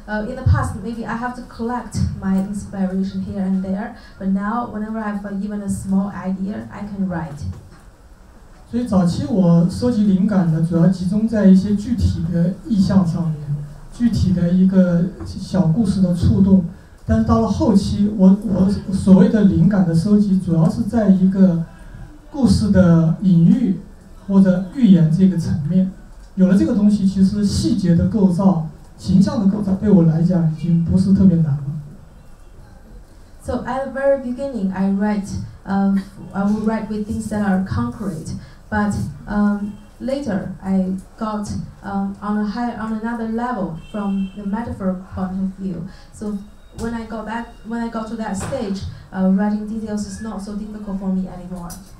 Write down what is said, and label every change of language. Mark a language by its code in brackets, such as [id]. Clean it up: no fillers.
[en] In the past, maybe I have to collect my inspiration here and there. But now, whenever I have even a small idea, I can write. [zh] 所以早期我收集灵感呢，主要集中在一些具体的意象上面，具体的一个小故事的触动。但是到了后期，我所谓的灵感的收集，主要是在一个。故事的隐喻或者预言这个层面，有了这个东西，其实细节的构造、形象的构造，对我来讲已经不是特别难了。 [en] So at the very beginning, I will write with things that are concrete. But Later, I got on another level from the metaphor point of view. So when I got back, when I got to that stage, writing details is not so difficult for me anymore.